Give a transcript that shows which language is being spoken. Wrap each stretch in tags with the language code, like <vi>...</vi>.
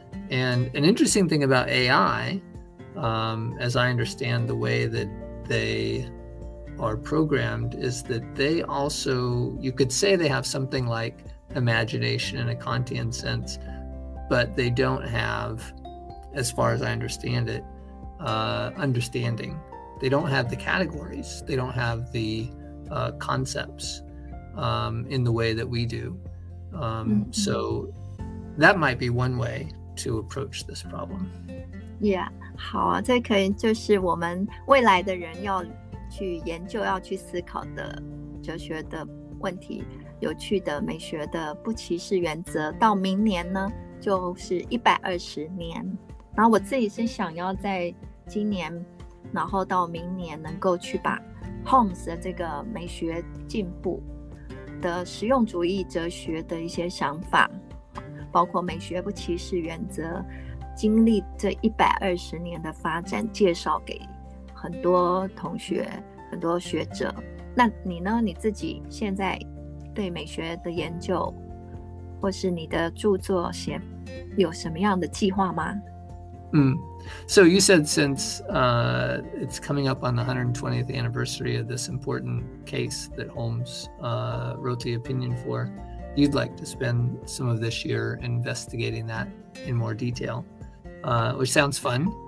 <en>And an interesting thing about AI, as I understand the way that they are programmed, is that they also, you could say they have something like imagination in a Kantian sense, but they don't have, as far as I understand it, understanding. They don't have the categories. They don't have the concepts in the way that we do. So that might be one way to approach this problem.</en> <zh>Yeah, 好啊，这可以就是我们未来的人要去研究、要去思考的哲学的问题。有趣的美学的不歧视原则，到明年呢，就是120年。然后我自己是想要在今年。然后到明年能够去把 Holmes 的这个美学进步的实用主义哲学的一些想法，包括美学不歧视原则，经历这120年的发展，介绍给很多同学、很多学者。那你呢？你自己现在对美学的研究，或是你的著作写，有什么样的计划吗？</zh> <en>So you said since it's coming up on the 120th anniversary of this important case that Holmes wrote the opinion for, you'd like to spend some of this year investigating that in more detail, which sounds fun.</en>